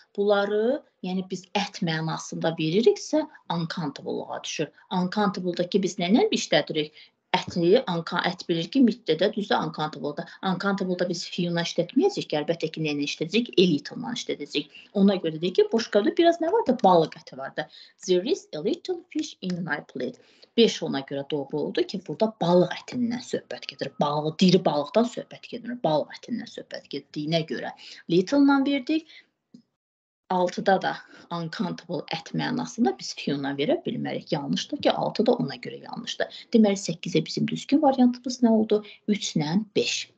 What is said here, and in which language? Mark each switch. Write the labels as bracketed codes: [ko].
[az] Bunları, yəni biz ət mənasında veririksə, uncountable-a düşür. Uncountable-dakı biz nə ilə işlədirik? Ət bilir ki, middədə düzdür, uncountable-da. Uncountable-da biz fiyona işlətməyəcək ki, əlbəttə ki, nəyini işlətəcək? Elitonla işlətəcək. Ona görə deyək ki, boş qabda biraz nə vardır? Balıq əti vardır. [en] There is a little fish in my plate. [az] 5 ona görə doğru oldu ki, burada balıq ətindən söhbət gedir. Diri balıqdan söhbət gedir. Balıq ətindən söhbət gedirdiyinə görə. Little-la verdik. 6-da da uncountable ət mənasında biz fiyona verə bilmərik. Yanlışdır ki, 6-da ona görə yanlışdır. Deməli, 8-də bizim düzgün variantımız nə oldu? 3-lə 5.